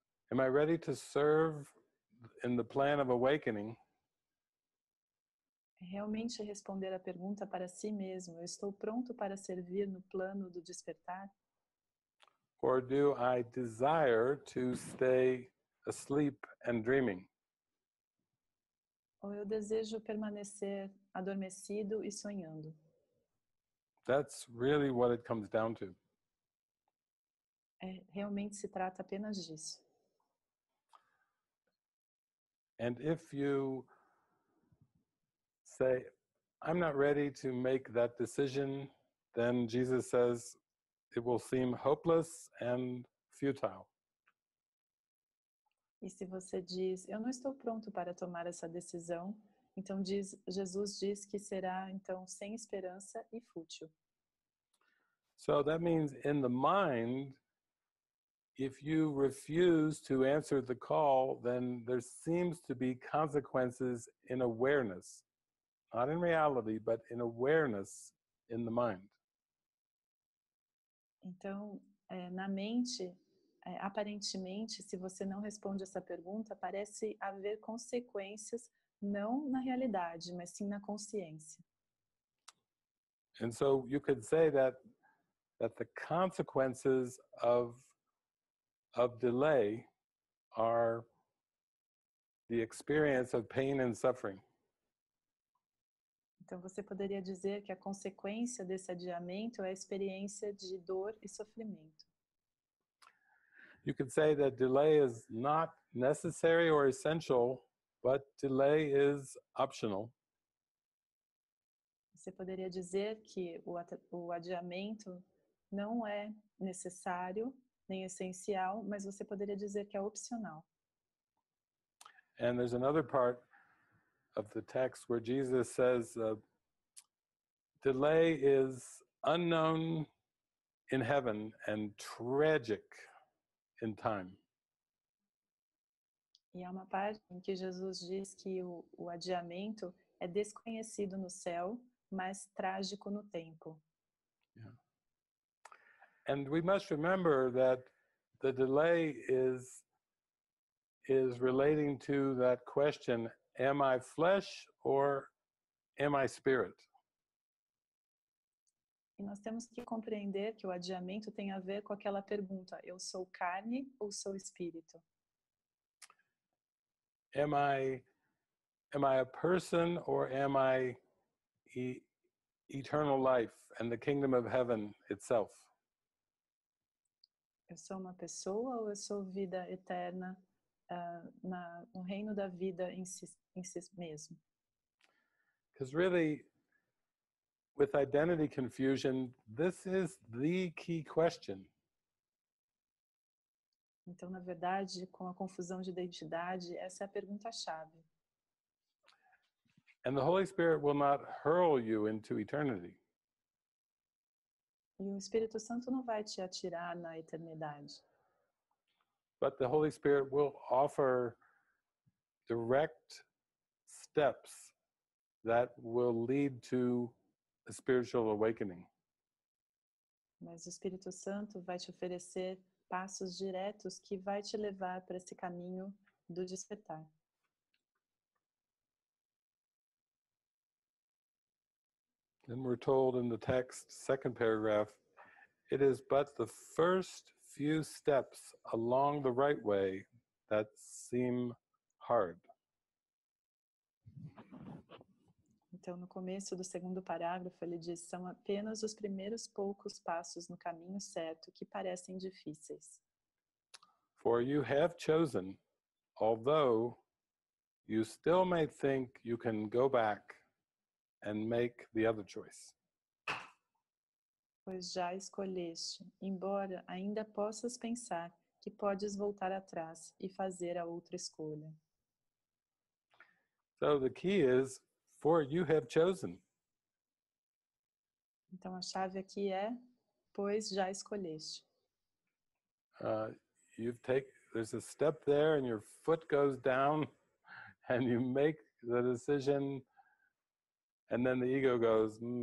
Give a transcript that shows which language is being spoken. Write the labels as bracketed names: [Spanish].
[English] Am I ready to serve in the plan of awakening? [Portuguese] Realmente responder a pergunta para si mesmo, eu estou pronto para servir no plano do despertar? [English] Or do I desire to stay asleep and dreaming? [Portuguese] Ou eu desejo permanecer adormecido e sonhando? [English] That's really what it comes down to. [Portuguese] Realmente se trata apenas disso. [English] And if you say, I'm not ready to make that decision, then Jesus says, it will seem hopeless and futile. [Portuguese] E se você diz, eu não estou pronto para tomar essa decisão, então diz, Jesus diz que será, então, sem esperança e fútil. [English] So that means, in the mind, if you refuse to answer the call, then there seems to be consequences in awareness. Not in reality, but in awareness in the mind. [Portuguese] Então, na mente, aparentemente, se você não responde essa pergunta, parece haver consequências, não na realidade, mas sim na consciência. [English] And so you could say that the consequences of delay are the experience of pain and suffering. [Portuguese] Então, você poderia dizer que a consequência desse adiamento é a experiência de dor e sofrimento. [English] You could say that delay is not necessary or essential, but delay is optional. [Portuguese] Você poderia dizer que o adiamento não é necessário nem essencial, mas você poderia dizer que é opcional. [English] And there's another part of the text where Jesus says, Delay is unknown in heaven and tragic in time. [Portuguese] E há uma parte em que Jesus diz que o adiamento é desconhecido no céu, mas trágico no tempo. [English] Yeah. And we must remember that the delay is relating to that question, am I flesh or am I spirit? [Portuguese] E nós temos que compreender que o adiamento tem a ver com aquela pergunta, eu sou carne ou sou espírito? [English] Am I a person or am I eternal life and the kingdom of heaven itself? [Portuguese] Eu sou uma pessoa ou eu sou vida eterna no reino da vida em si mesmo? [English] Because really, with identity confusion, this is the key question. [Portuguese] Então, na verdade, com a confusão de identidade, essa é a pergunta-chave. [English] And the Holy Spirit will not hurl you into eternity. [Portuguese] E o Espírito Santo não vai te atirar na eternidade. [English] But the Holy Spirit will offer direct steps that will lead to a spiritual awakening. [Portuguese] Mas o Espírito Santo vai te oferecer passos diretos que vai te levar para esse caminho do despertar. [English] Then we're told in the text, second paragraph, it is but the first few steps along the right way that seem hard. [Portuguese] Então, no começo do segundo parágrafo, ele diz, são apenas os primeiros poucos passos no caminho certo que parecem difíceis. [English] For you have chosen, although you still may think you can go back and make the other choice. [Portuguese] Pois já escolheste, embora ainda possas pensar que podes voltar atrás e fazer a outra escolha. [English] So the key is, for you have chosen. [Portuguese] Então a chave aqui é, pois já escolheste. [English] There's a step there and your foot goes down and you make the decision and then the ego goes,